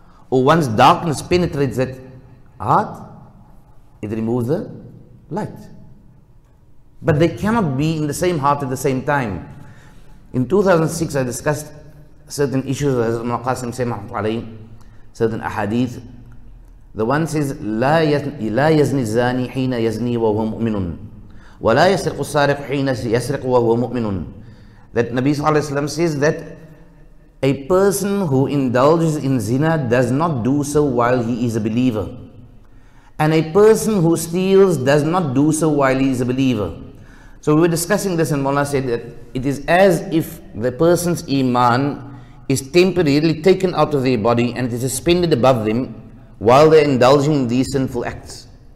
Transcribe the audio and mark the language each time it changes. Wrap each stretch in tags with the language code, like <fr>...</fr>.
<en>Or once darkness penetrates that heart, it removes the light. But they cannot be in the same heart at the same time. In 2006, I discussed certain issues with Hazrat Muqasim Sayyid Alayhi, certain ahadith. The one says,</en> <ar>لا يزني الزاني حين يزني وهو مؤمن ولا يسرق السارق حين يسرق وهو مؤمن.</ar> <en>That Nabi Sallallahu Alaihi Wasallam says that a person who indulges in zina does not do so while he is a believer. And a person who steals does not do so while he is a believer. So we were discussing this and Mullah said that it is as if the person's iman is temporarily taken out of their body and it is suspended above them while they're indulging in these sinful acts.</en>